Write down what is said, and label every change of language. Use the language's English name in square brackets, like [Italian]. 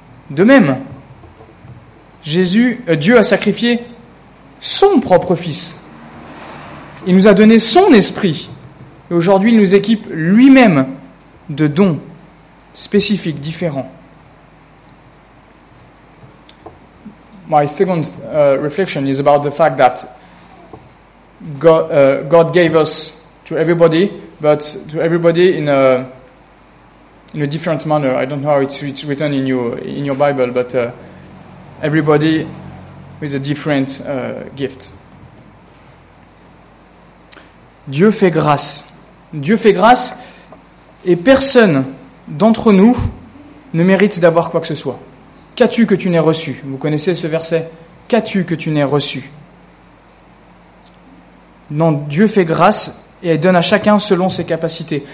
[French] De même, Dieu a sacrifié son propre fils. Il nous a donné son esprit. Et aujourd'hui, il nous équipe lui-même de dons spécifiques, différents. [English] My second reflection is about the fact that God gave us to everybody, but to everybody in a different manner. I don't know how it's written in your Bible, but everybody with a different gift. [French] Dieu fait grâce. Dieu fait grâce et personne d'entre nous ne mérite d'avoir quoi que ce soit. Qu'as-tu que tu n'aies reçu? Vous connaissez ce verset? Qu'as-tu que tu n'aies reçu? Non, Dieu fait grâce et donne à chacun selon ses capacités.